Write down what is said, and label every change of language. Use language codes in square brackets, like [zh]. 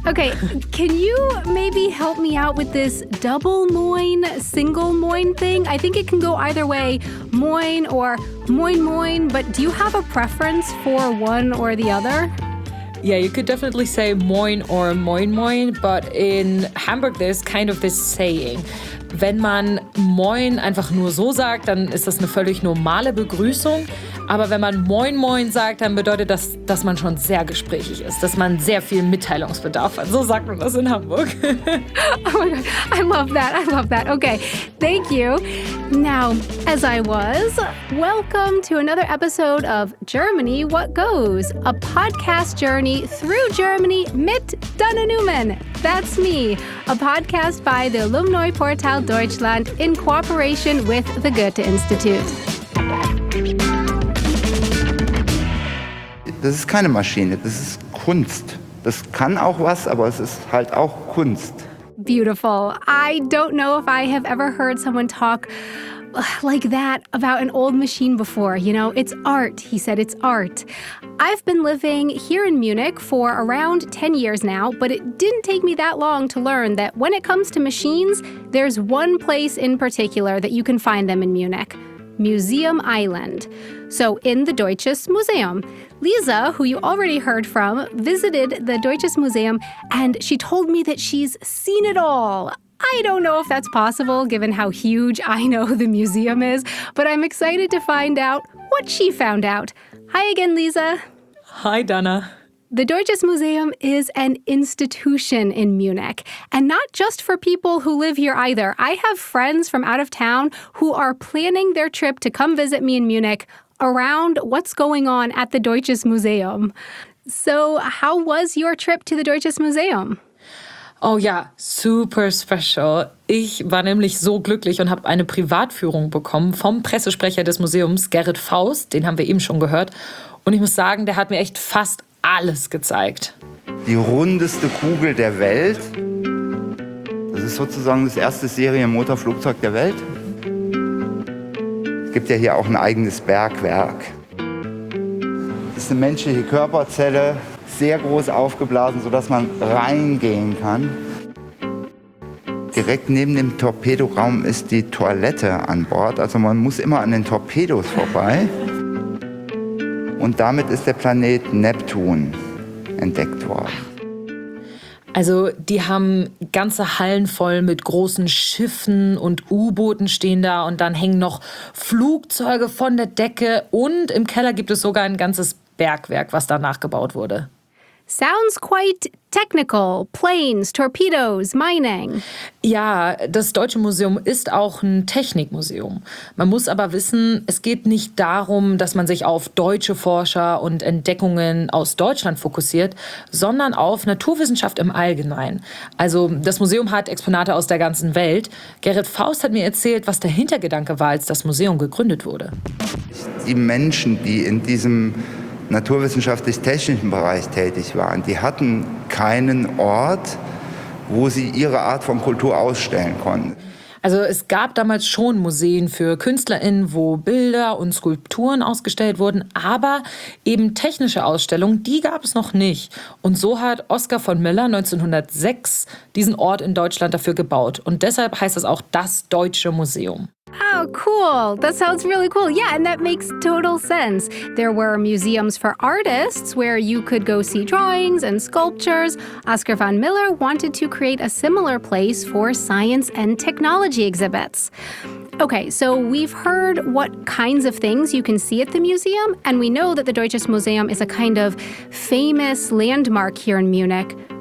[en] Okay, can you maybe help me out with this double moin, single moin thing? I think it can go either way, moin or moin moin, but do you have a preference for one or the other? Yeah, you could definitely say moin or moin moin, but in Hamburg there's kind of this saying. [de] Wenn man moin einfach nur so sagt, dann ist das eine völlig normale Begrüßung. Aber wenn man moin moin sagt, dann bedeutet das, dass man schon sehr gesprächig ist, dass man sehr viel Mitteilungsbedarf hat. So sagt man das in Hamburg. [en] Oh my God, I love that, I love that. Okay, thank you. Now, as I was, welcome to another episode of Germany What Goes, a podcast journey through Germany [de] mit [en] Dunne-Newman. That's me, a podcast by the Alumni Portal Deutschland in cooperation with the Goethe-Institut. [de] Das ist keine Maschine, das ist Kunst. Das kann auch was, aber es ist halt auch Kunst. [en] Beautiful. I don't know if I have ever heard someone talk like that about an old machine before. You know, it's art, he said, it's art. I've been living here in Munich for around 10 years now, but it didn't take me that long to learn that when it comes to machines, there's one place in particular that you can find them in Munich. Museum Island. So in the Deutsches Museum. Lisa, who you already heard from, visited the Deutsches Museum and she told me that she's seen it all. I don't know if that's possible given how huge I know the museum is, but I'm excited to find out what she found out. Hi again, Lisa. Hi, Dana. The Deutsches Museum is an institution in Munich, and not just for people who live here either. I have friends from out of town who are planning their trip to come visit me in Munich around what's going on at the Deutsches Museum. So, how was your trip to the Deutsches Museum? [de] Oh ja, super special. Ich war nämlich so glücklich und habe eine Privatführung bekommen vom Pressesprecher des Museums, Gerrit Faust, den haben wir eben schon gehört. Und ich muss sagen, der hat mir echt fast alles gezeigt. Die rundeste Kugel der Welt. Das ist sozusagen das erste Serienmotorflugzeug der Welt. Es gibt ja hier auch ein eigenes Bergwerk. Das ist eine menschliche Körperzelle, sehr groß aufgeblasen, sodass man reingehen kann. Direkt neben dem Torpedoraum ist die Toilette an Bord. Also man muss immer an den Torpedos vorbei. Und damit ist der Planet Neptun entdeckt worden. Also die haben ganze Hallen voll mit großen Schiffen und U-Booten stehen da und dann hängen noch Flugzeuge von der Decke und im Keller gibt es sogar ein ganzes Bergwerk, was da nachgebaut wurde. [en] Sounds quite technical. Planes, torpedoes, mining. [de] Ja, das Deutsche Museum ist auch ein Technikmuseum. Man muss aber wissen, es geht nicht darum, dass man sich auf deutsche Forscher und Entdeckungen aus Deutschland fokussiert, sondern auf Naturwissenschaft im Allgemeinen. Also das Museum hat Exponate aus der ganzen Welt. Gerrit Faust hat mir erzählt, was der Hintergedanke war, als das Museum gegründet wurde. Die Menschen, die in diesem naturwissenschaftlich-technischen Bereich tätig waren. Die hatten keinen Ort, wo sie ihre Art von Kultur ausstellen konnten. Also es gab damals schon Museen für KünstlerInnen, wo Bilder und Skulpturen ausgestellt wurden, aber eben technische Ausstellungen, die gab es noch nicht. Und so hat Oskar von Miller 1906 diesen Ort in Deutschland dafür gebaut. Und deshalb heißt es auch das Deutsche Museum. [en] Oh, cool. That sounds really cool. Yeah, and that makes total sense. There were museums for artists where you could go see drawings and sculptures. Oskar von Miller wanted to create a similar place for science and technology exhibits. Okay, so we've heard what kinds of things you can see at the museum, and we know that the Deutsches Museum is a kind of famous landmark here in Munich.